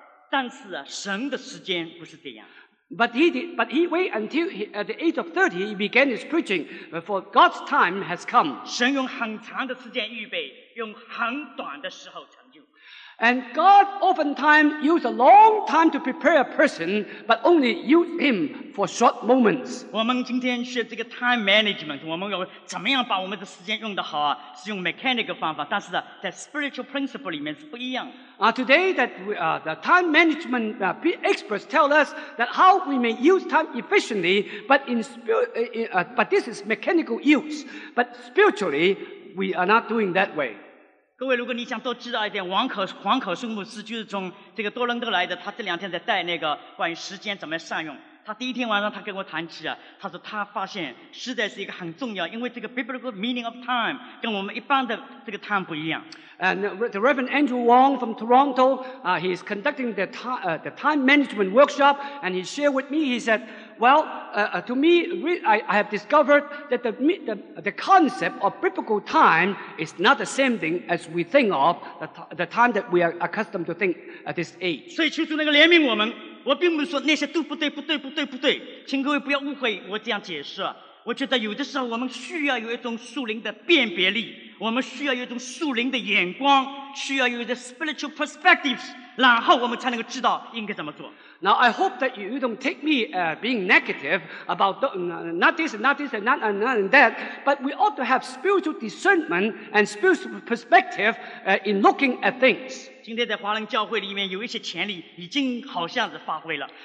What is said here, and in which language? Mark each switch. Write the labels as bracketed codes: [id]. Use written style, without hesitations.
[zh] 但是啊，神的时间不是这样。 [en] But he waited until at the age of 30, he began his preaching. For God's time has come. [zh] 神用很长的时间预备，用很短的时候成就。 [en] And God oftentimes used a long time to prepare a person, but only used him for short moments. [zh] 我们今天学这个 time management, 我们要怎么样把我们的时间用得好啊？是用 mechanical 方法，但是在 spiritual principle 里面是不一样。 [en] Today that we, the time management experts tell us that how we may use time efficiently, but this is mechanical use. But spiritually, we are not doing that way. [zh] 各位，如果你想多知道一点，黄可松牧师就是从这个多伦多来的，他这两天在带那个关于时间怎么善用。他第一天晚上他跟我谈起啊，他说他发现实在是一个很重要，因为这个 [en] biblical meaning of time [zh] 跟我们一般的这个 time 不一样。 [en] And the Reverend Andrew Wong from Toronto, he is conducting the time management workshop, and he shared with me. He said, "Well, to me, I have discovered that the concept of biblical time is not the same thing as we think of the time that we are accustomed to think at this age." [zh] 所以求主那个怜悯我们。我并不是说那些都不对，请各位不要误会我这样解释。我觉得有的时候我们需要有一种属灵的辨别力，我们需要有一种属灵的眼光，需要有一种 spiritual perspectives, 然后我们才能够知道应该怎么做。 [en] Now I hope that you don't take me being negative about not this and that, but we ought to have spiritual discernment and spiritual perspective in looking at things. [zh] 今天在华人教会里面有一些潜力已经好像是发挥了。